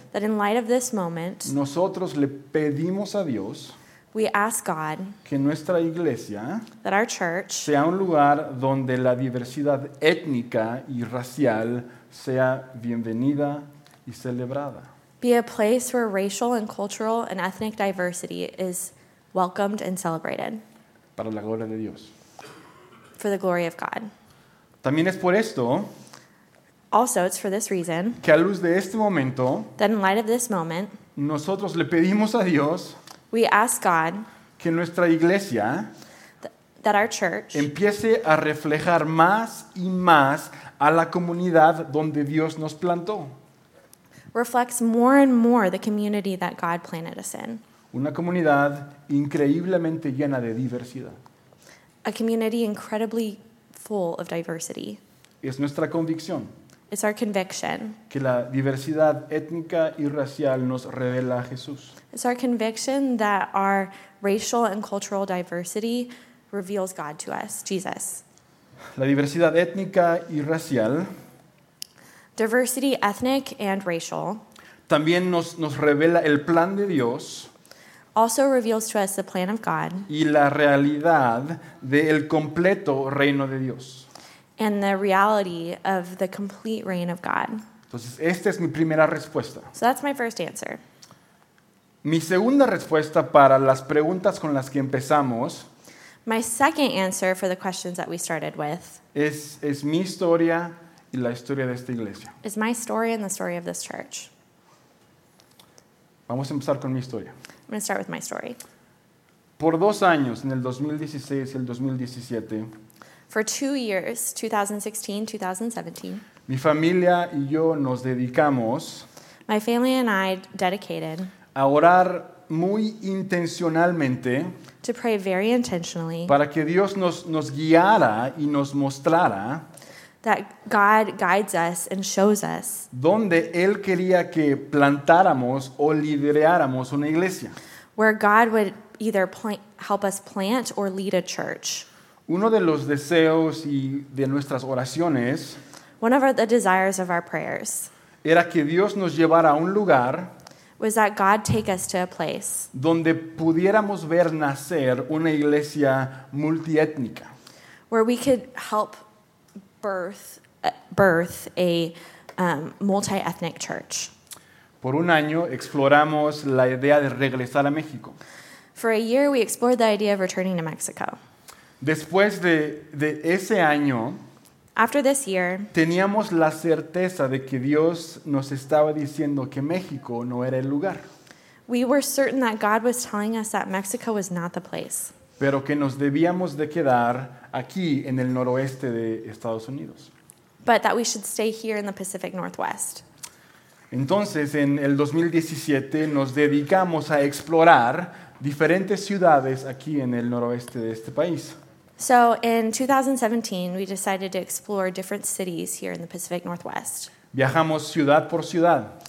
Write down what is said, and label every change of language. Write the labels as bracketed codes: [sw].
[en] That in light of this moment. [es] Nosotros le pedimos a Dios. [en] We ask God. [es] Que nuestra iglesia. [en] That our church. [es] Sea un lugar donde la diversidad étnica y racial sea bienvenida y celebrada. [en] Be a place where racial and cultural and ethnic diversity is welcomed and celebrated. [es] Para la gloria de Dios. [en] For the glory of God. [es] También es por esto. [en] Also, it's for this reason. [es] Que a luz de este momento. [en] That in light of this moment. [es] Nosotros le pedimos a Dios. [en] We ask God [es] que nuestra iglesia [en] that our church [es] empiece a reflejar más y más a la comunidad donde Dios nos plantó. [en] Reflects more and more the community that God planted us in. [es] Una comunidad increíblemente llena de diversidad. [en] A community incredibly full of diversity. [es] Es nuestra convicción. [en] It's our conviction. [es] Que la diversidad étnica y racial nos revela a Jesús. [en] It's our conviction that our racial and cultural diversity reveals God to us, Jesus. [es] La diversidad étnica y racial. [en] Diversity, ethnic and racial. [es] También nos revela el plan de Dios. [en] Also reveals to us the plan of God. [es] Y la realidad del completo reino de Dios. [en] And the reality of the complete reign of God. [es] Entonces, esta es mi primera respuesta. [en] So that's my first answer. [es] Mi segunda respuesta para las preguntas con las que empezamos. [en] My second answer for the questions that we started with. [es] Es mi historia y la historia de esta iglesia. [en] Is my story and the story of this church. [es] Vamos a empezar con mi historia. [en] I'm going to start with my story. [es] Por 2 años, en el 2016 y el 2017. [en] For 2 years, 2016, 2017. [es] Mi familia y yo nos dedicamos. [en] My family and I dedicated. [es] A orar muy intencionalmente. [en] To pray very intentionally. [es] Para que Dios nos guiara y nos mostrara. [en] That God guides us and shows us. [es] Donde Él quería que plantáramos o lideráramos una iglesia. [en] Where God would either help us plant or lead a church. [es] Uno de los deseos y de nuestras oraciones, [en] one of the desires of our prayers, [es] era que Dios nos llevara a un lugar, [en] was that God take us to a place, [es] donde pudiéramos ver nacer una iglesia multiétnica, [en] where we could help birth a multi-ethnic church. [es] Por 1 año exploramos la idea de regresar a México. [en] For a year we explored the idea of returning to Mexico. [es] Después de ese año, [en] after this year, [es] teníamos la certeza de que Dios nos estaba diciendo que México no era el lugar. [en] We were certain that God was telling us that Mexico was not the place. [es] Pero que nos debíamos de quedar aquí en el noroeste de Estados Unidos. [en] But that we should stay here in the Pacific Northwest. [es] Entonces, en el 2017, nos dedicamos a explorar diferentes ciudades aquí en el noroeste de este país. [en] So in 2017 we decided to explore different cities here in the Pacific Northwest. [es] Viajamos ciudad por ciudad.